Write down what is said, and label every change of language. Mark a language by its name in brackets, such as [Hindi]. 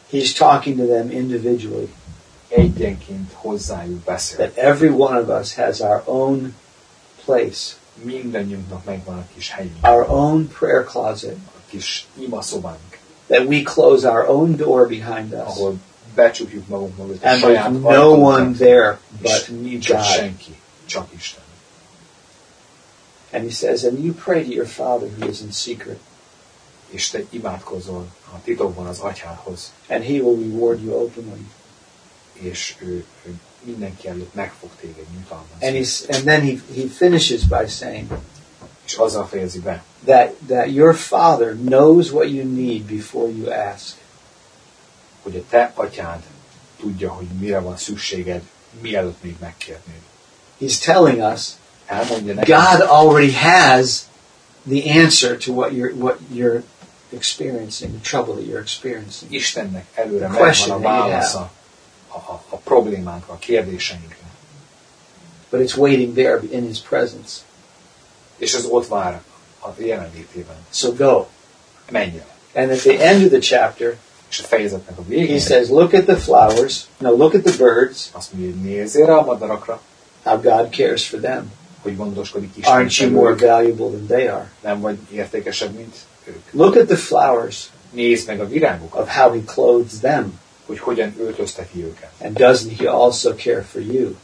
[English] He's talking to them individually. [Hungarian] Egyenként hozzájuk beszél. [English] That every one of us has our own place. [Hungarian] Mindannyiunknak megvan a kis helyünk. [English] Our own prayer closet. [Hungarian] A kis imaszobánk. [English] That we close our own door behind us. [Hungarian] Ahol becsukjuk magunknak. [English] And there's no one there but me, God. [Hungarian] Senki. Csak Isten. [English] And he says, and you pray to your Father who is in secret. [Hungarian] És te imádkozol a titokban az Atyához. [English] And he will reward you openly. [Hungarian] És ő mindenki előtt meg fog téged nyitalmazni. [English] And then he finishes by saying, [Hungarian] és azzal fejezi be, [English] that your Father knows what you need before you ask. [Hungarian] Hogy a te Atyád tudja, hogy mire van szükséged, mielőtt még megkérnéd. [English] He's telling us, God already has the answer to what you're experiencing, the trouble that you're experiencing. [Hungarian] Istennek előre megvan a válasza a problémánkra, a kérdéseinkre. [English] But it's waiting there in his presence. [Hungarian] És ez ott vár a jelenlétében. [English] So go. [Hungarian] Menj el. [English] And at the end of the chapter, [Hungarian] és a fejezetnek a végén, [English] he says, look at the flowers, no, look at the birds. [Hungarian] Azt mondja, nézzél rá a madarakra. [English] How God cares for them. [Hungarian] Hogy gondoskodik Isten. [English] Aren't you more valuable than they are? [Hungarian] Nem vagy értékesebb, mint ők. [English] Look at the flowers. [Hungarian] Nézd meg a virágokat. [English] Of how he clothes them. [Hungarian] Hogy hogyan öltözteti őket. [English] And doesn't he also care for you?